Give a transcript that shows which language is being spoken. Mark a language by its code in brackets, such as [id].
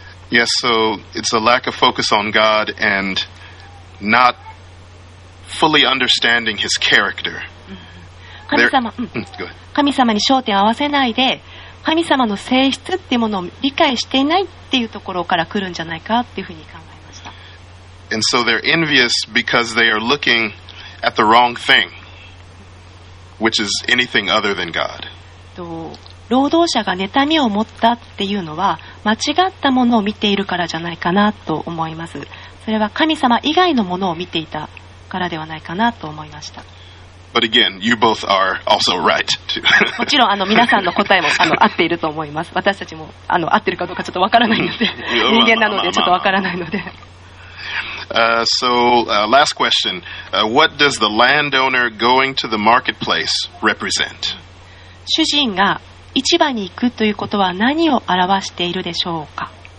[en] Yes, so it's a lack of focus on God and not fully understanding his character. [ja] 神様に焦点を合わせないで、神様の性質っていうものを理解していないっていうところから来るんじゃないかっていうふうに考えました。 [en] And so they're envious because they are looking at the wrong thing, which is anything other than God. [ja] 労働者が妬みを持ったっていうのは、間違ったものを見ているからじゃないかなと思います。それは神様以外のものを見ていたからではないかなと思いました。 [en] But again, you both are also right. [ja] もちろん皆さんの答えも合っていると思います。私たちも合ってるかどうかちょっとわからないので、人間なのでちょっとわからないので。 [en] Last question. What does the landowner going to the marketplace represent? [ja] 主人が市場に行くということは何を表しているでしょうか。